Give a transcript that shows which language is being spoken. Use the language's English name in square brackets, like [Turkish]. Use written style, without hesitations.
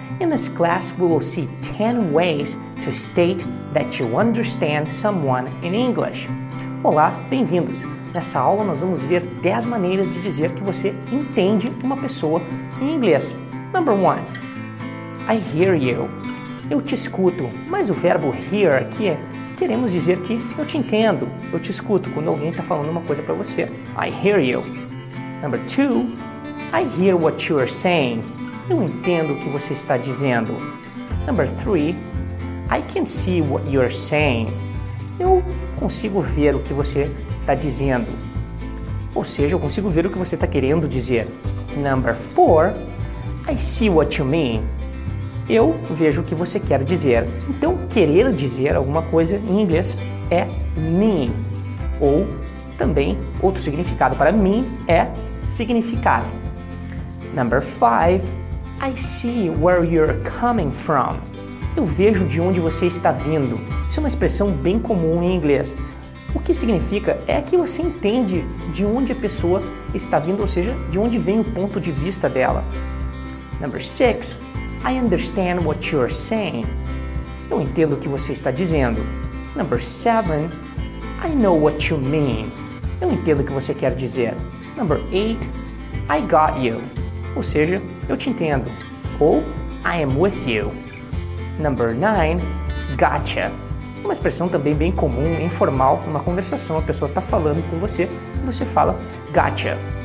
[English] In this class, we will see 10 ways to state that you understand someone in English. [Portuguese] Olá, bem-vindos. Nessa aula, nós vamos ver 10 maneiras de dizer que você entende uma pessoa em inglês. [English] Number 1. I hear you. [Portuguese] Eu te escuto. Mas o verbo hear aqui, queremos dizer que eu te entendo. Eu te escuto quando alguém está falando uma coisa para você. [English] I hear you. Number 2. I hear what you are saying. [Portuguese] Eu entendo o que você está dizendo. [English] Number 3. I can see what you are saying. [Portuguese] Eu consigo ver o que você está dizendo. Ou seja, eu consigo ver o que você está querendo dizer. [English] Number 4. I see what you mean. [Portuguese] Eu vejo o que você quer dizer. Então, querer dizer alguma coisa em inglês é mean. Ou também, outro significado para mim é significar. [English] Number 5, I see where you're coming from. [Portuguese] Eu vejo de onde você está vindo. Isso é uma expressão bem comum em inglês. O que significa é que você entende de onde a pessoa está vindo, ou seja, de onde vem o ponto de vista dela. [English] Number 6, I understand what you're saying. [Portuguese] Eu entendo o que você está dizendo. [English] Number 7, I know what you mean. [Portuguese] Eu entendo o que você quer dizer. [English] Number 8, I got you. [Portuguese] Ou seja, eu te entendo. [English] Ou, I am with you. Number 9, gotcha. [Portuguese] Uma expressão também bem comum, informal, numa conversação. A pessoa está falando com você e você fala, gotcha.